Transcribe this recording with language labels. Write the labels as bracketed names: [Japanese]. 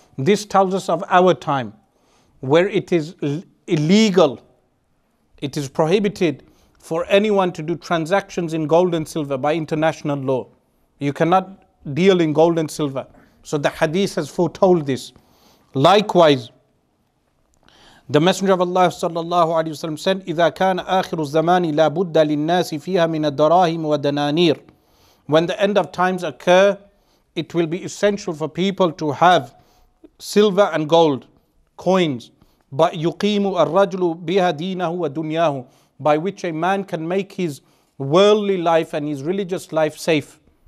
[English] This tells us of our time, where it is illegal, it is prohibited for anyone to do transactions in gold and silver by international law. You cannot deal in gold and silver. So the hadith has foretold this. Likewise, the Messenger of Allah sallallahu alaihi wasallam said, [Arabic] إِذَا كَانَ آخِرُ الزَّمَانِ لَا بُدَّ لِلنَّاسِ فِيهَا مِنَ الدَّرَاهِمُ وَدَنَانِيرُ. [English] When the end of times occur, it will be essential for people to have silver and gold, coins. [Arabic] يُقِيمُ الرَّجْلُ بِهَا دِينَهُ وَدُنْيَاهُ. [English] By which a man can make his worldly life and his religious life safe.